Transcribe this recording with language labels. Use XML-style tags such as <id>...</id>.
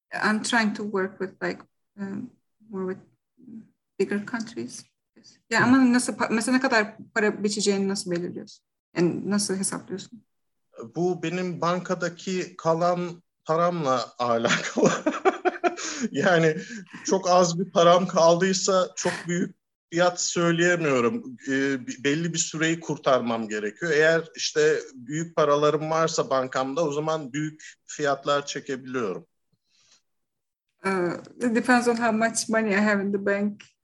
<en>I'm trying to work with like more with bigger countries.</en> <tr>Ya ama nasıl mesela ne kadar para biçeceğini nasıl belirliyorsun? Yani nasıl hesaplıyorsun? Bu benim bankadaki kalan paramla alakalı. Yani çok az bir param kaldıysa çok büyük fiyat söyleyemiyorum. Belli bir süreyi kurtarmam gerekiyor. Eğer işte büyük paralarım varsa bankamda, o zaman büyük fiyatlar çekebiliyorum.</tr> <en>It depends on how much money I have in the bank.</en>